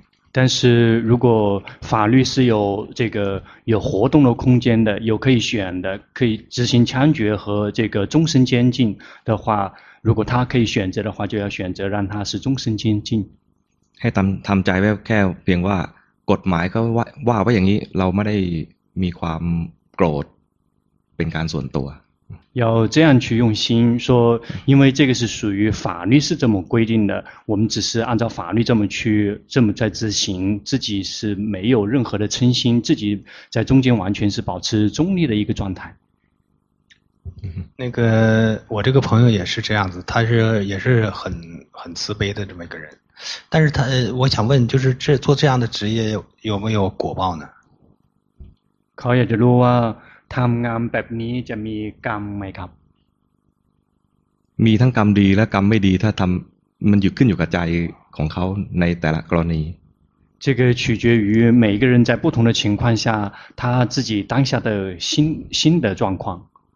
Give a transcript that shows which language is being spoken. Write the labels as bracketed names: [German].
[Chinese] 但是如果法律是有这个有活动的空间的有可以选的可以执行枪决和这个终身监禁的话如果他可以选择的话就要选择让他是终身监禁 [Thai] ให้ทำใจไว้แค่เพียงว่ากฎหมายเขาว่าไว้อย่างนี้เราไม่ได้มีความโกรธเป็นการส่วนตัว [Chinese] 要这样去用心说因为这个是属于法律是这么规定的我们只是按照法律这么在执行自己是没有任何的嗔心自己在中间完全是保持中立的一个状态那个我这个朋友也是这样子他是也是很慈悲的这么一个人但是他我想问就是这做这样的职业有没有果报呢考验的路啊 [Thai] ทำงานแบบนี้จะมีกรรมไหมครับ มีทั้งกรรมดีและกรรมไม่ดีถ้าทำมันอยู่ขึ้นอยู่กับใจของเขาในแต่ละกรณี [Chinese] 这个取决于每一个人在不同的情况下他自己当下的心的状况